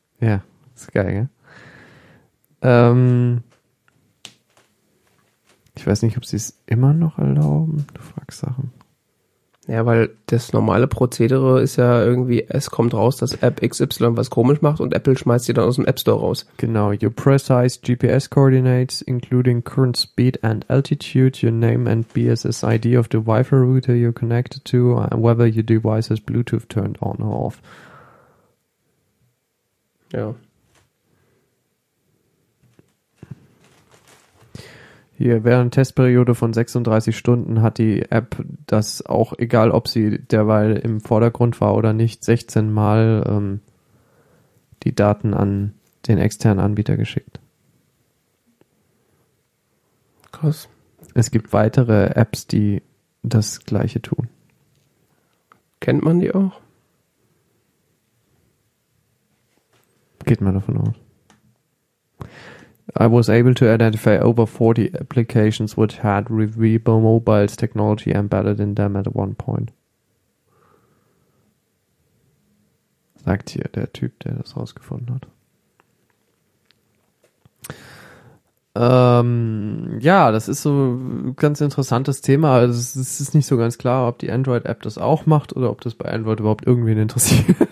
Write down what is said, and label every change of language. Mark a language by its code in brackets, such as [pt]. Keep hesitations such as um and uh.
[de] Ja, ist geil, gell? Ähm, ich weiß nicht, ob sie es immer noch erlauben. Du fragst Sachen. Ja, weil das normale Prozedere ist ja irgendwie, es kommt raus, dass App XY was komisch macht und Apple schmeißt die dann aus dem App Store raus. [en] Genau, your precise GPS coordinates, including current speed and altitude, your name and BSS ID of the Wi-Fi router you're connected to, and whether your device has Bluetooth turned on or off. [de] Ja. Hier, während Testperiode von 36 Stunden hat die App das auch, egal ob sie derweil im Vordergrund war oder nicht, 16 Mal ähm, die Daten an den externen Anbieter geschickt. Krass. Es gibt weitere Apps, die das gleiche tun. Kennt man die auch? Geht man davon aus. [en] I was able to identify over 40 applications which had Revivo Mobile's technology embedded in them at one point. [de] Sagt hier der Typ, der das rausgefunden hat. Ähm, ja, das ist so ein ganz interessantes Thema. Also es es ist nicht so ganz klar, ob die Android-App das auch macht oder ob das bei Android überhaupt irgendwen interessiert.